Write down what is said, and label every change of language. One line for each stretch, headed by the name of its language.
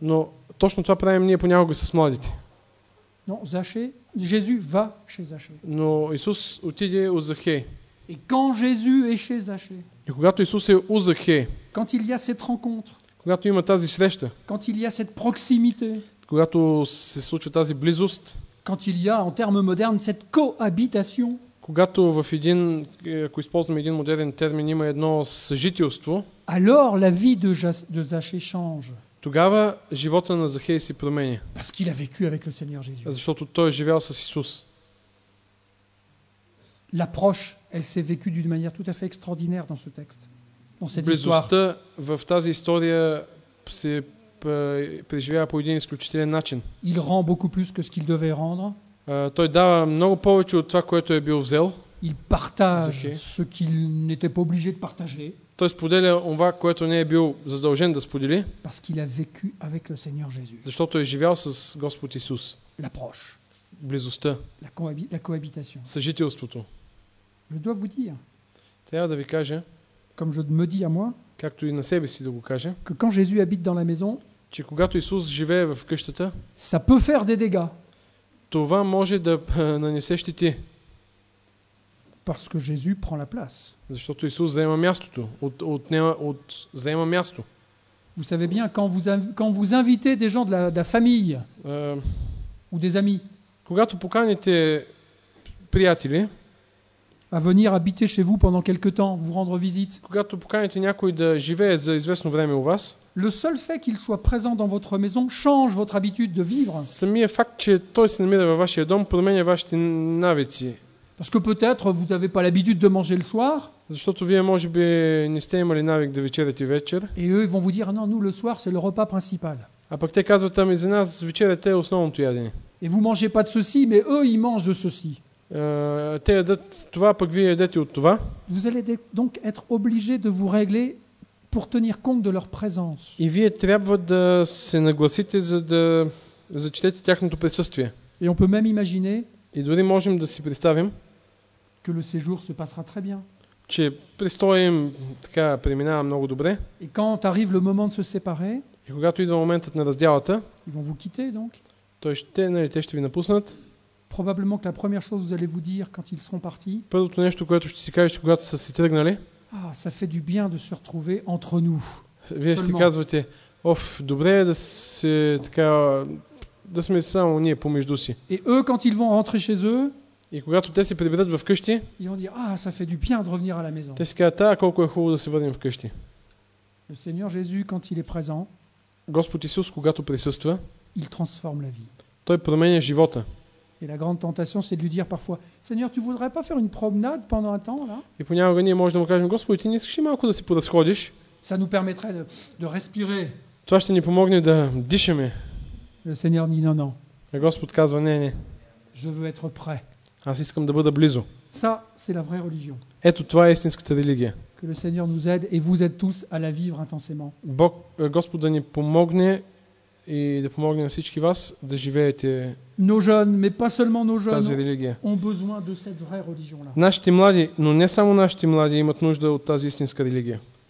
Bulgarian: Но точно това правим ние понякога с младите.
French: Non, Zaché, Jésus va chez Zaché.
Bulgarian: Но Исус отиде у Захей.
French: Et quand Jésus est chez Zaché.
Bulgarian: И когато Исус е у Захей.
French: Quand il y a cette rencontre.
Bulgarian: Когато има тази среща.
French: Quand il y a cette proximité.
Bulgarian: Когато се случва тази близост.
French: Quand il y a en termes modernes cette cohabitation.
Bulgarian: Когато в един, ако използваме един модерен термин, има едно съжителство.
French: Alors la vie de Zaché change.
Bulgarian: Тогава живота на Захей се променя.
French: Parce qu'il a vécu avec le Seigneur Jésus.
Bulgarian: Защото той е живял с Исус.
French: L'approche, elle s'est vécue d'une manière tout à fait extraordinaire dans ce texte. Dans cette histoire.
Bulgarian: В тази история се преживява по един изключителен начин.
French: Il rend beaucoup plus que ce qu'il devait rendre.
Bulgarian: Той дава много повече от това, което е бил взел.
French: Il partage ce qu'il n'était pas obligé de partager.
Bulgarian: Той споделя онова, което не е бил задължен да сподели.
French: Parce qu'il a vécu avec le Seigneur Jésus.
Bulgarian: Защото е живял с Господ Исус.
French: L'approche.
Bulgarian: Близостта.
French: La cohabitation.
Bulgarian: Съжителството.
French: Je dois vous dire.
Bulgarian: Трябва да ви кажа.
French: Comme je me dis à moi.
Bulgarian: Както и на себе си да го кажа.
French: Que quand Jésus habite dans la maison.
Bulgarian: Че когато Исус живее в къщата.
French: Ça peut faire des dégâts.
Bulgarian: Това може да нанесе щети.
French: Parce que Jésus prend la place.
Bulgarian: Защото Исус заема мястото, заема място.
French: Vous savez bien quand vous invitez des gens de la famille ou des amis.
Bulgarian: Когато поканите приятели
French: à venir habiter chez vous pendant quelque temps, vous rendre visite.
Bulgarian: Когато поканите някой да живее за известно време у вас.
French: Le seul fait qu'il soit présent dans votre maison change votre habitude de vivre.
Bulgarian: Самият факт, че той се намира във вашия дом, променя вашите навици.
French: Parce que peut-être vous n'avez pas l'habitude de manger le soir.
Bulgarian: Защото вие може би не сте имали навик да вечеряте вечер.
French: Et eux vont vous dire non, nous le soir c'est le repas principal.
Bulgarian: А пък те казват, ами за нас вечерята е основното ядене.
French: Et vous mangez pas de ceci, mais eux ils mangent de ceci.
Bulgarian: Те ядат това, пък вие ядете от това.
French: Vous allez donc être obligé de vous régler pour tenir compte de leur présence.
Bulgarian: И вие трябва да се нагласите, за да зачетете тяхното присъствие.
French: Et on peut même imaginer.
Bulgarian: И дори можем да си представим,
French: que le séjour se passera très bien.
Bulgarian: Че престоя им така преминава много добре.
French: Et quand arrive le moment de se séparer,
Bulgarian: и когато идва моментът на раздялата,
French: ils vont vous quitter, donc.
Bulgarian: Той ще, нали, те ще ви напуснат.
French: Probablement que la première chose vous allez vous dire quand ils seront partis.
Bulgarian: Първото нещо, което ще си кажете, когато са си тръгнали.
French: Ah, ça fait du bien de se retrouver entre nous.
Bulgarian: Вие ще казвате: "Оф, добре е да се така да сме само ние помежду си."
French: Et eux quand ils vont rentrer chez eux,
Bulgarian: и когато те се приберат вкъщи,
French: ils vont dire: "Ah, ça fait du bien de revenir à la maison."
Bulgarian: Те ще кажат: "А, колко е хубаво да се върнем вкъщи."
French: Le Seigneur Jésus quand il est présent,
Bulgarian: Господ Исус, когато присъства,
French: il transforme la vie.
Bulgarian: Той променя живота.
French: Et la grande tentation c'est de lui dire parfois: "Seigneur, tu voudrais pas faire une promenade pendant un temps là?"
Bulgarian: И понякога ние можем да му кажем: "Господи, ти не искаш ли малко да се подразходиш?"
French: Ça nous permettrait de respirer.
Bulgarian: Това ще ни помогне да дишаме.
French: Le Seigneur dit: "Non, non."
Bulgarian: И Господ казва: "Не, не."
French: Je veux être prêt.
Bulgarian: Аз искам да бъда близо.
French: Ça c'est la vraie religion.
Bulgarian: Ето това е истинската религия.
French: Que le Seigneur nous aide et vous aide tous à la vivre intensément.
Bulgarian: Бог, Господ да ни помогне и да помогне на всички вас да живеете.
French: Nos jeunes, mais pas seulement nos jeunes, ont besoin de cette vraie religion là.
Bulgarian: Нашите млади, но не само нашите млади, имат нужда от тази истинска религия.